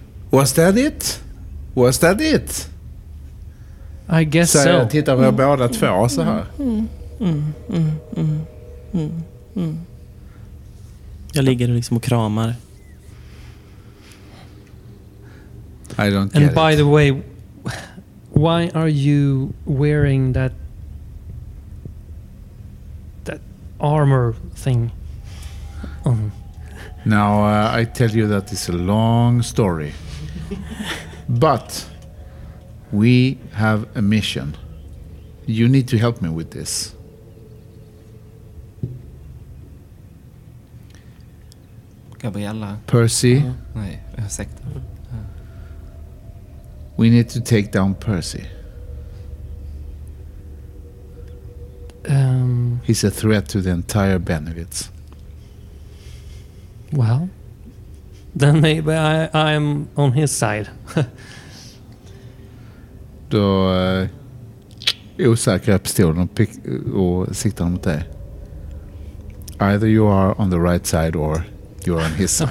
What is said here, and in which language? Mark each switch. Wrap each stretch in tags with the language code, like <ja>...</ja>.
<en>Was that it? Was that it? I guess</en> <sv>så.</sv> <en>So.</en> <sv>Jag tittar på båda två så här. Jag ligger liksom och kramar.</sv> <en>I don't get And by it. The way, why are you wearing that armor thing? Now I tell you that it's a long story. But we have a mission. You need to help me with this. Gabriella. Percy.</en> <sv>Nej, ursäkta.</sv> <en>We need to take down Percy. He's a threat to the entire Benevitz. Well, then maybe I'm on his side.</en> <sv>Då osäkrar jag pistolen och siktar mot dig.</sv> <en>Either you are on the right side or you are on his side.</en>